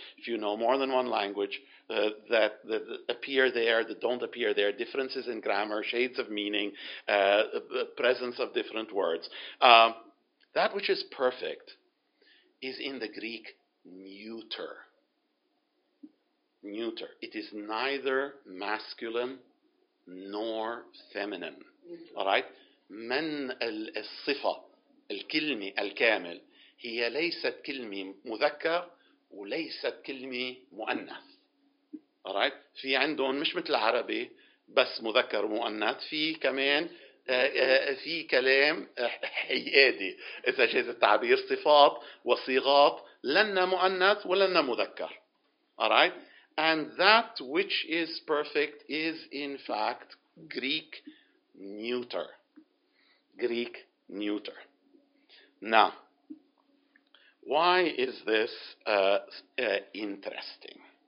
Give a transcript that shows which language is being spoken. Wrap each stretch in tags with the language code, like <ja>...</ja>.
<en>If you know more than one language, that appear there, that don't appear there, differences in grammar, shades of meaning, presence of different words. That which is perfect is in the Greek neuter. Neuter. It is neither masculine nor feminine. Mm-hmm. All right?</en> <ar>من الصفة الكلمة الكامل هي ليست كلمة مذكر وليست كلمة مؤنث.</ar> <en>All right?</en> <ar>في عندهم مش مثل العربي بس مذكر مؤنث. في كمان في كلام حيادي إذا جاز التعبير صفات وصيغات لن مؤنث ولن مذكر.</ar> <en>All right? And that which is perfect is, in fact, Greek neuter. Greek neuter. Now, why is this interesting?</en>